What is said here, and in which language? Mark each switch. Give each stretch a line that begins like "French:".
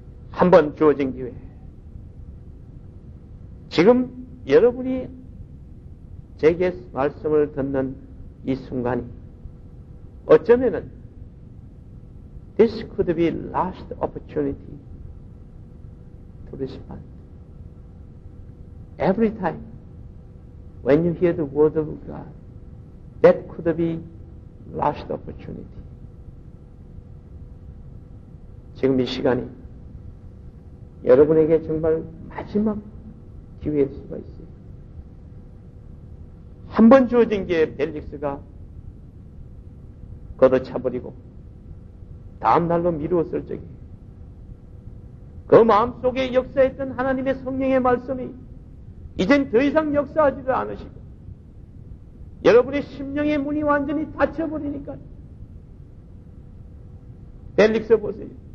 Korean: 한번 주어진 기회, 지금 여러분이 제게 말씀을 듣는 이 순간이 어쩌면은
English: This could be last opportunity to respond. Every time when you hear the word of God, that could be last opportunity.
Korean: 지금 이 시간이 여러분에게 정말 마지막 기회일 수가 있어요. 한 번 주어진 게 벨릭스가 걷어차버리고 다음 날로 미루었을 적에 그 마음속에 역사했던 하나님의 성령의 말씀이 이젠 더 이상 역사하지도 않으시고 여러분의 심령의 문이 완전히 닫혀버리니까 벨릭스 보세요.